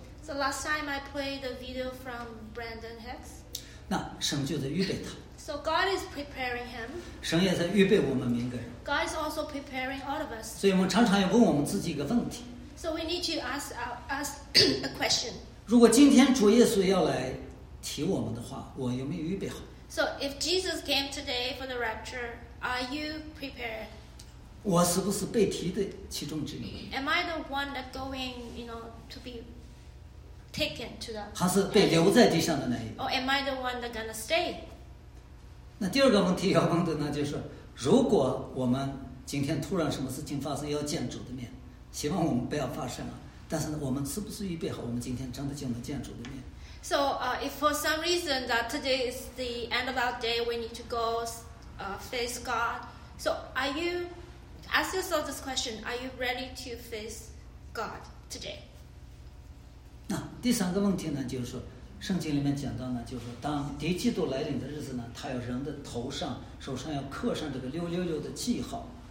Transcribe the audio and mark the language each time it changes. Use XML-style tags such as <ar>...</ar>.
<en>So last time I played a video from Brandon Hicks.</en> <zh>那神就在预备他。</zh> <en>So God is preparing him.</en> <zh>神也在预备我们每个人。</zh> <en>God is also preparing all of us.</en> <zh>所以我们常常要问我们自己一个问题。</zh> <en>So we need to ask a question.</en> <zh>如果今天主耶稣要来提我们的话，我有没有预备好？</zh> <en>So if Jesus came today for the rapture, are you prepared?</en> <zh>我是不是被提的其中之一？</zh> <en>Am I the one that going, you know, to be taken to the?</en> <zh>还是被留在地上的那一？</zh> <en>Or am I the one that gonna stay?</en> <zh>那第二个问题要问的呢，就是如果我们今天突然什么事情发生，要见主的面，希望我们不要发生啊。但是呢，我们是不是预备好，我们今天真的就能见主的面？</zh> <en>So if for some reason that today is the end of our day, we need to go face God. So are you, ask yourself this question, are you ready to face God today?</en> <zh>那第三个问题呢，就是说圣经里面讲到呢，就是说当敌基督来临的日子呢，他有人的头上手上要刻上这个666的记号。</zh>